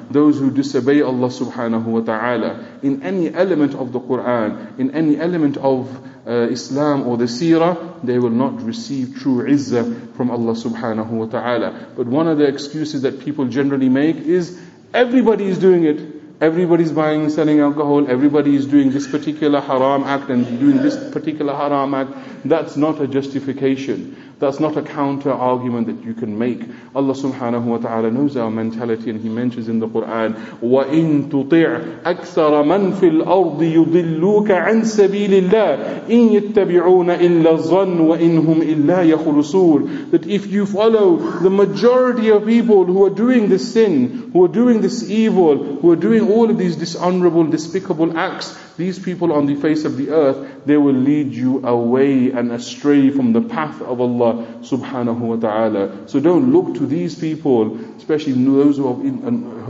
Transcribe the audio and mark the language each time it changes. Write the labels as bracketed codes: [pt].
[en] Those who disobey Allah subhanahu wa ta'ala in any element of the Quran, in any element of Islam or the seerah, they will not receive true izzah from Allah subhanahu wa ta'ala. But one of the excuses that people generally make is everybody is doing it. Everybody's buying and selling alcohol. Everybody is doing this particular haram act and doing this particular haram act. That's not a justification. That's not a counter argument that you can make. [ar] Allah subhanahu wa ta'ala knows our mentality, and He mentions in the Quran, وَإِن تُطِعْ أَكْثَرَ مَن فِي الْأَرْضِ يُضِلُّوكَ عَن سَبِيلِ اللَّهِ إِن يَتَّبِعُونَ إِلَّا الظَّنُّ وَإِن هُمْ إِلَّا يَخُلُصُونَ. [en] That if you follow the majority of people who are doing this sin, who are doing this evil, who are doing all of these dishonorable, despicable acts, these people on the face of the earth, they will lead you away and astray from the path of Allah subhanahu wa ta'ala. So don't look to these people, especially those who are